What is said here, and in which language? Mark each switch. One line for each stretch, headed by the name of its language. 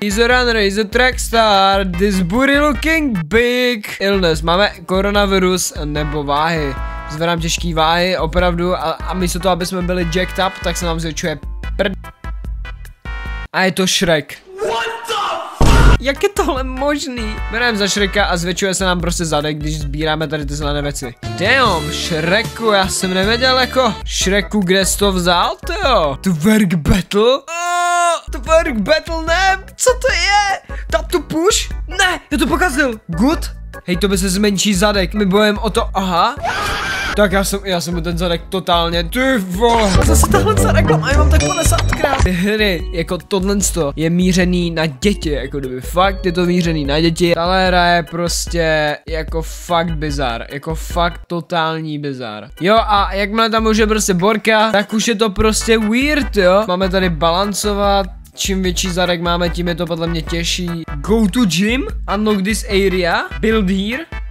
English: He's a runner, he's a track star, this booty looking big.
Czech: Illness, máme koronavirus nebo váhy. Zvedám těžký váhy, opravdu, a místo toho, aby jsme byli
English: jacked up,
Czech: tak se nám zvětšuje prd. A je to Shrek. Jak je tohle možný? Bereme za Shreka a zvětšuje se nám prostě zadek, když sbíráme tady ty zelené věci. Damn, Shreku, já jsem nevěděl jako. Shreku, kde jsi to vzal, tyjo?
English: Twerk battle?
Czech: Twerk battle, ne, co to je?
English: Tap to push?
Czech: Ne, já to pokazil. Good? Hej, to by se zmenší zadek, my bojujeme o to, aha. Tak já jsem ten zadek totálně, ty vole. Zase tahle zadek, a já mám tak 50krát. Ty hry, jako tohle je mířený na děti, jako kdyby fakt je to mířený na děti. Tahle hra je prostě jako fakt bizar, jako fakt totální bizar. Jo, a jakmile tam už je prostě borka, tak už je to prostě weird, jo. Máme tady balancovat, čím větší zadek máme, tím je to podle mě těžší.
English: Go to gym, unlock this area, build here.